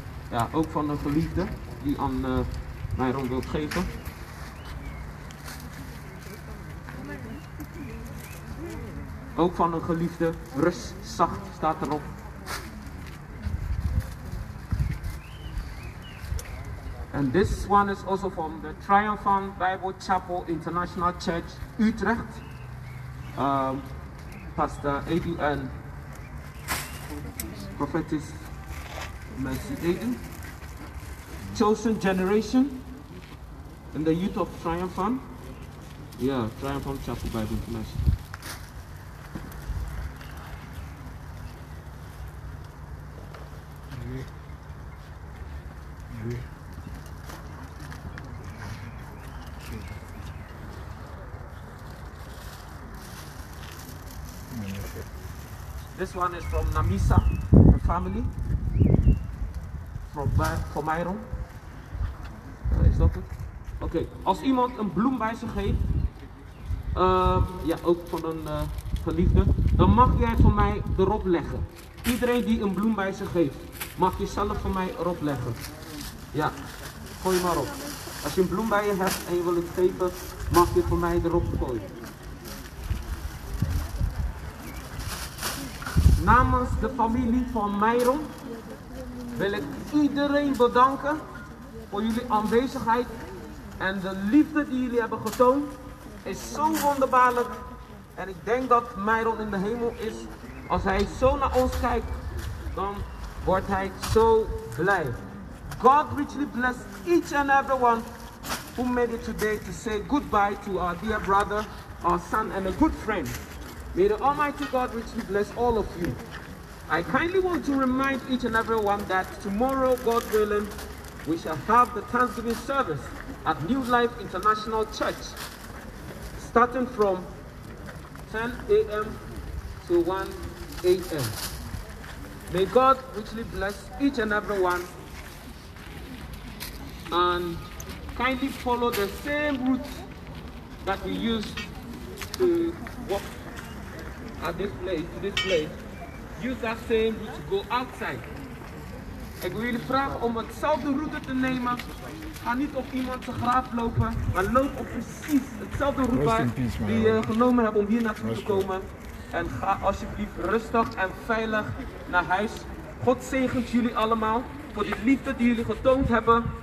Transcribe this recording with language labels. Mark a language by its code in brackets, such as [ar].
[nl] Ja, ook van een geliefde die aan Myron wilt geven. Ook van een geliefde, rust zacht staat erop. [en] And this one is also from the Triumphant Bible Chapel International Church, Utrecht. Pastor Adu and Prophetess Mercy Adu. Chosen Generation and the Youth of Triumphant. Yeah, Triumphant Chapel Bible International. This one is from Namisa, the family, from Myron. [nl] Is dat het? Oké, als iemand een bloem bij zich heeft, ja, ook van een geliefde, dan mag jij voor mij erop leggen. Iedereen die een bloem bij zich heeft, mag je zelf voor mij erop leggen. Ja, gooi maar op. Als je een bloem bij je hebt en je wil het geven, mag je voor mij erop gooien. Namens de familie van Myron wil ik iedereen bedanken voor jullie aanwezigheid en de liefde die jullie hebben getoond is zo wonderbaarlijk. En ik denk dat Myron in de hemel is. Als hij zo naar ons kijkt, dan wordt hij zo blij. [en] God richly bless each and everyone who made it today to say goodbye to our dear brother, our son and a good friend. May the Almighty God richly bless all of you. I kindly want to remind each and everyone that tomorrow, God willing, we shall have the Thanksgiving service at New Life International Church, starting from 10 a.m. to 1 a.m. May God richly bless each and everyone, and kindly follow the same route that we used to walk at this place, use that same route to go outside. [nl] Ik wil jullie vragen om hetzelfde route te nemen. Ga niet op iemand zijn graaf lopen, maar loop op precies hetzelfde route waar die je genomen hebt om hier naartoe te komen. En ga alsjeblieft rustig en veilig naar huis. God zegent jullie allemaal voor die liefde die jullie getoond hebben.